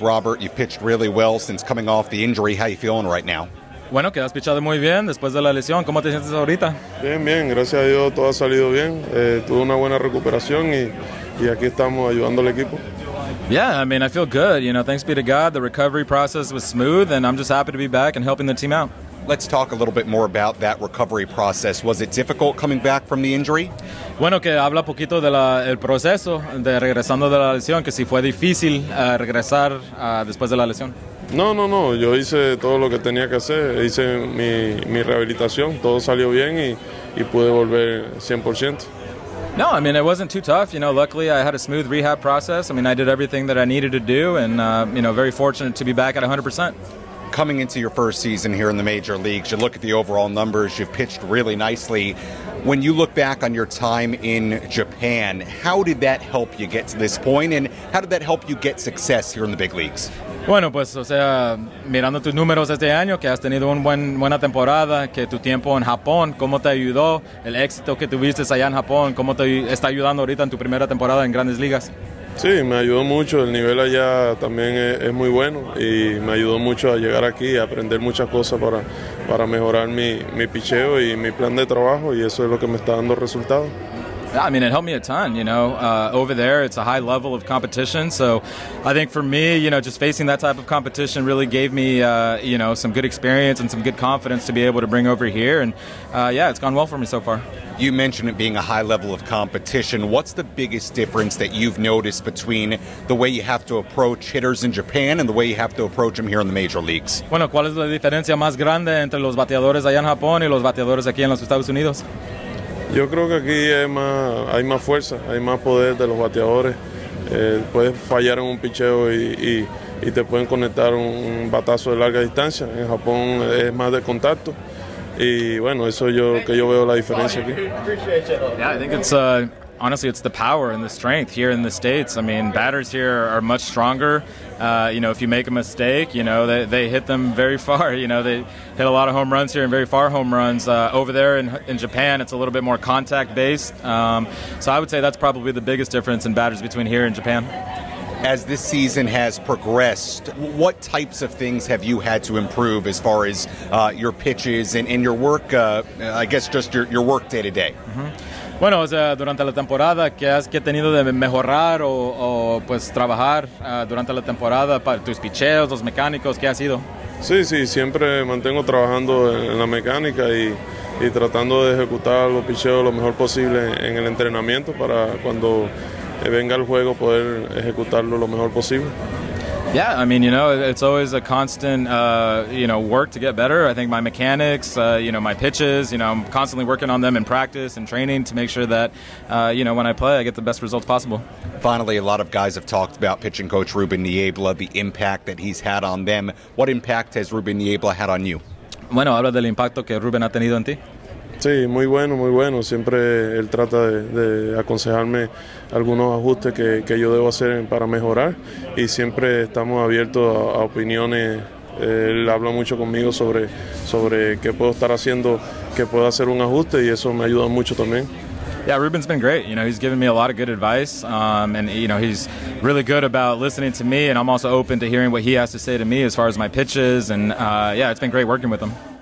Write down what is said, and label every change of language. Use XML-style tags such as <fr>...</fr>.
<en>Robert, you've pitched really well since coming off the injury. How are you feeling right now?</en> <es>Bueno, que has pichado muy bien después de la lesión. ¿Cómo te sientes ahorita? Bien, bien. Gracias a Dios todo ha salido bien. Tuve una buena recuperación y aquí estamos ayudando al equipo.</es> <en>Yeah, I mean, I feel good. You know, thanks be to God. The recovery process was smooth, and I'm just happy to be back and helping the team out. Let's talk a little bit more about that recovery process. Was it difficult coming back from the injury?</en> <es>Bueno, que habla poquito de la, el proceso de regresando de la lesión, que si fue difícil regresar después de la lesión. No. Yo hice todo lo que tenía que hacer. Hice mi rehabilitación. Todo salió bien y pude volver 100%.</es> <en>No, I mean, it wasn't too tough. You know, luckily I had a smooth rehab process. I mean, I did everything that I needed to do and, you know, very fortunate to be back at 100%. Coming into your first season here in the major leagues, you look at the overall numbers, you've pitched really nicely. When you look back on your time in Japan, how did that help you get to this point, and how did that help you get success here in the big leagues?</en> <es>Bueno, pues, o sea, mirando tus números este año, que has tenido una buena temporada, que tu tiempo en Japón, cómo te ayudó, el éxito que tuviste allá en Japón, cómo te está ayudando ahorita en tu primera temporada en Grandes Ligas. Sí, me ayudó mucho. El nivel allá también es muy bueno y me ayudó mucho a llegar aquí y aprender muchas cosas para mejorar mi picheo y mi plan de trabajo, y eso es lo que me está dando resultado.</es> <en>I mean, it helped me a ton, you know. Over there, it's a high level of competition, so I think for me, you know, just facing that type of competition really gave me, you know, some good experience and some good confidence to be able to bring over here, and yeah, it's gone well for me so far. You mentioned it being a high level of competition. What's the biggest difference that you've noticed between the way you have to approach hitters in Japan and the way you have to approach them here in the major leagues?</en> <es>Bueno, ¿cuál es la diferencia más grande entre los bateadores allá en Japón y los bateadores aquí en los Estados Unidos? Yo creo que aquí hay más fuerza, hay más poder de los bateadores. Puedes fallar en un picheo y te pueden conectar un batazo de larga distancia. En Japón es más de contacto. Y bueno, eso yo que yo veo la diferencia aquí.</es> <en>Yeah, I think it's honestly it's the power and the strength here in the States. I mean, batters here are much stronger. You know, if you make a mistake, you know, they hit them very far. You know, they hit a lot of home runs here and very far home runs. Over there in Japan, it's a little bit more contact-based. So I would say that's probably the biggest difference in batters between here and Japan. As this season has progressed, what types of things have you had to improve as far as your pitches and your work, I guess just your work day-to-day? Mm-hmm.</en> <es>Bueno, o sea, durante la temporada, ¿qué has tenido de mejorar o pues trabajar durante la temporada para tus picheos, los mecánicos, qué ha sido? Sí, siempre mantengo trabajando en la mecánica y tratando de ejecutar los picheos lo mejor posible en el entrenamiento para cuando venga el juego poder ejecutarlo lo mejor posible.</es> <en>Yeah, I mean, you know, it's always a constant, you know, work to get better. I think my mechanics, you know, my pitches, you know, I'm constantly working on them in practice and training to make sure that, you know, when I play, I get the best results possible. Finally, a lot of guys have talked about pitching coach Ruben Niebla, the impact that he's had on them. What impact has Ruben Niebla had on you?</en> <es>Bueno, habla del impacto que Ruben ha tenido en ti. Sí, muy bueno, muy bueno. Siempre él trata de aconsejarme algunos ajustes que yo debo hacer para mejorar. Y siempre estamos abiertos a opiniones. Él habla mucho conmigo sobre qué puedo estar haciendo, qué puedo hacer un ajuste, y eso me ayuda mucho también.</es> <en>Yeah, Ruben's been great. You know, he's given me a lot of good advice. And, you know, he's really good about listening to me. And I'm also open to hearing what he has to say to me as far as my pitches. And, yeah, it's been great working with him.</en>